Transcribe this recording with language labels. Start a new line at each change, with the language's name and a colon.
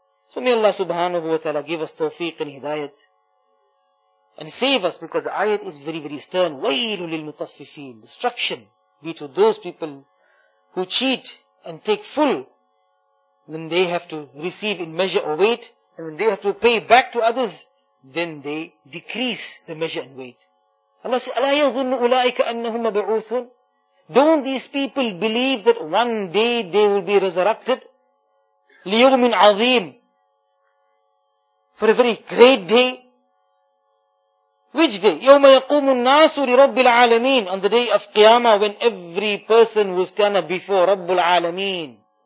English: So may Allah subhanahu wa ta'ala give us tawfiq and hidayat. And save us, because the ayat is very, very stern.
Arabic: وَيْلُ لِلْمُطَفِّفِينَ.
English: Destruction be to those people who cheat and take full. Then they have to receive in measure or weight, and when they have to pay back to others, then they decrease the measure and weight. Allah says,
Arabic: أَلَا يَظُنُّ أُولَٰئِكَ أَنَّهُمْ مَبْعُوثُونَ.
English: Don't these people believe that one day they will be resurrected?
Arabic: لِيَوْمٍ عَظِيمٍ.
English: For a very great day. Which day?
Arabic: يَوْمَ يَقُومُ النَّاسُ لِرَبِّ الْعَالَمِينَ.
English: On the day of Qiyamah, when every person will stand up before
Arabic: رَبُّ الْعَالَمِينَ.